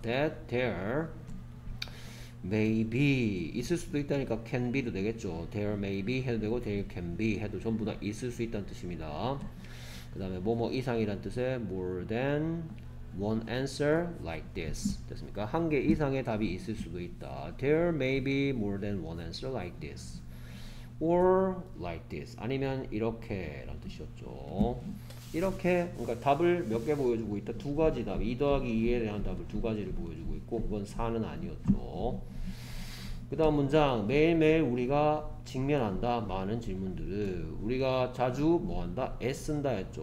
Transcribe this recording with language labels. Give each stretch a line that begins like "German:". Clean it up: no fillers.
English: that, there, may be.
Korean: 있을 수도 있다니까
English: can be
Korean: 도 되겠죠.
English: there may be
Korean: 해도 되고
English: there can be
Korean: 해도 전부 다 있을 수 있다는 뜻입니다. 그 다음에 뭐뭐 이상이란 뜻의
English: more than One answer like this.
Korean: 됐습니까? 한개 이상의 답이 있을 수도 있다.
English: There may be more than one answer like this. Or like this.
Korean: 아니면 이렇게 라는 뜻이었죠. 이렇게, 그러니까 답을 몇개 보여주고 있다? 두 가지 답. 2 더하기 2에 대한 답을 두 가지를 보여주고 있고, 그건 4는 아니었죠. 그 다음 문장. 매일매일 우리가 직면한다. 많은 질문들을. 우리가 자주 뭐 한다? 애쓴다 했죠.